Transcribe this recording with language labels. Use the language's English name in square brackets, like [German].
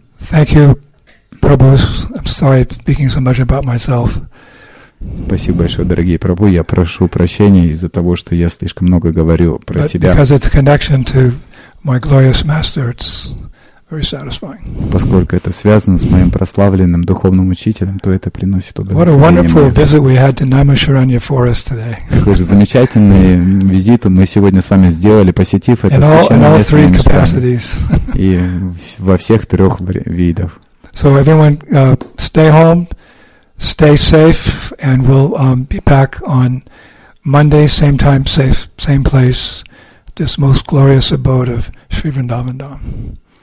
[English] Thank you, Prabhu. I'm sorry speaking so much about myself. [Russian] Спасибо большое, дорогие Прабху. Я прошу прощения из-за того, что я слишком много говорю про себя. [English] Because it's a connection to my glorious master, it's very satisfying. [Russian] Поскольку это связано с моим прославленным духовным учителем, то это приносит удовольствие. [English] What a wonderful visit we had to Naimisharanya Forest today. [Russian] Какой же замечательный визит мы сегодня с вами сделали, посетив это священное место. И во всех трех видах. [English] So everyone, stay home, stay safe, and we'll be back on Monday, same time, same place, this most glorious abode of Sri Vrindavan Dham.